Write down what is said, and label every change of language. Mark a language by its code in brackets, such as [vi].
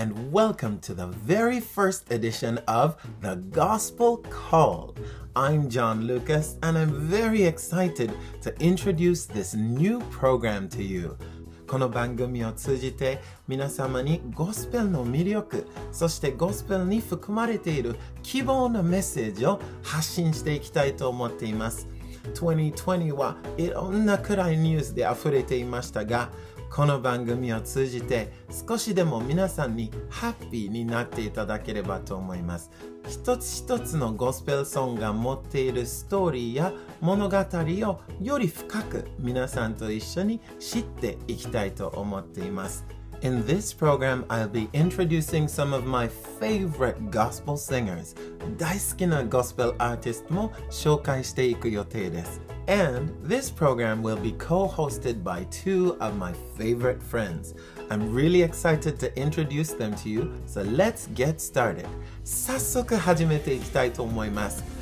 [en] welcome to the very first edition of The Gospel Call. I'm John Lucas, and I'm very excited to introduce this new program to you. [ja] この番組を通じて皆様にゴスペルの魅力、そしてゴスペルに含まれている希望のメッセージを発信していきたいと思っています。 2020はいろんな暗いニュースで溢れていましたが、この番組を通じて少しでも皆さんにハッピーになっていただければと思います。一つ一つのゴスペルソングが持っているストーリーや物語をより深く皆さんと一緒に知っていきたいと思っています。 [en] In this program, I'll be introducing some of my favorite gospel singers. [ja] 大好きなゴスペルアーティストも紹介していく予定です。 [en] And this program will be co-hosted by two of my favorite friends. I'm really excited to introduce them to you, so let's get started. [ja] 早速始めていきたいと思います。